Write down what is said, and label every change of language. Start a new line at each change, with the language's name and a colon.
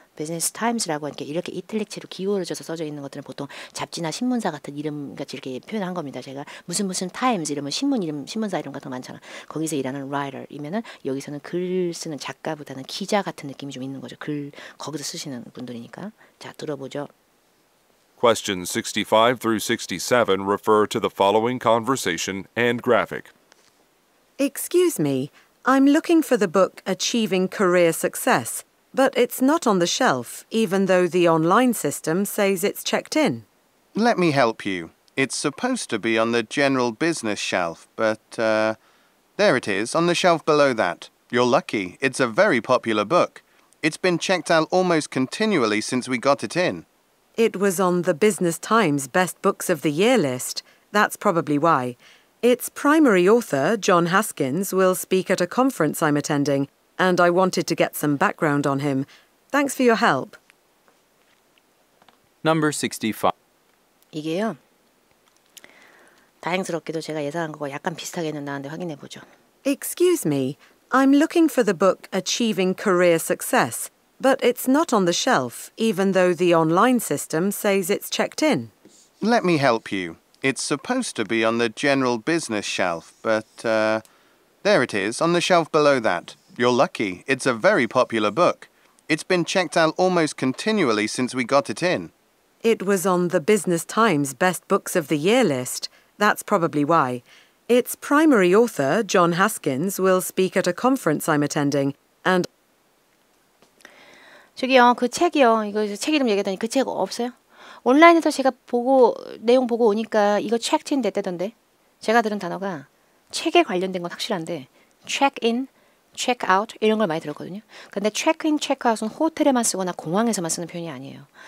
Korean: Business Times라고 이렇게 이탈릭체로 기울어져서 써져 있는 것들은 보통 잡지나 신문사 같은 이름같이 이렇게 표현한 겁니다. 제가 무슨 무슨 Times 이러면 신문 이름, 신문사 이름 같은 거 많잖아. 거기서 일하는 writer이면은 여기서는 글 쓰는 작가보다는 기자 같은 느낌이 좀 있는 거죠. 글 거기서 쓰시는 분들이니까. 자, 들어보죠.
English: Questions 65 through 67 refer to the following conversation and graphic. Excuse me, I'm looking for the book Achieving Career Success, but it's not on the shelf, even though the online system says it's checked in. Let me help you. It's supposed to be on the general business shelf, but, there it is, on the shelf below that. You're lucky. It's a very popular book. It's been checked out almost continually since we got it in. It was on the Business Times Best Books of the Year list. That's probably why. Its primary author, John Haskins, will speak at a conference I'm attending, and I wanted to get some background on him. Thanks for your help. Number 65.
Korean: 이게요. 다행스럽게도 제가 예상한 거 약간 비슷하게는 나왔는데 확인해 보죠.
English: Excuse me. I'm looking for the book Achieving Career Success. But it's not on the shelf, even though the online system says it's checked in. Let me help you. It's supposed to be on the general business shelf, but, there it is, on the shelf below that. You're lucky. It's a very popular book. It's been checked out almost continually since we got it in. It was on the Business Times Best Books of the Year list. That's probably why. Its primary author, John Haskins, will speak at a conference I'm attending, and...
Korean: 저기요, 그 책이요. 이거 책 이름 얘기하더니 그 책 없어요? 온라인에서 제가 보고 내용 보고 오니까 이거 checked-in 됐다던데. 제가 들은 단어가 책에 관련된 건 확실한데 check-in, check-out 이런 걸 많이 들었거든요. 근데 check-in, check-out은 호텔에만 쓰거나 공항에서만 쓰는 표현이 아니에요.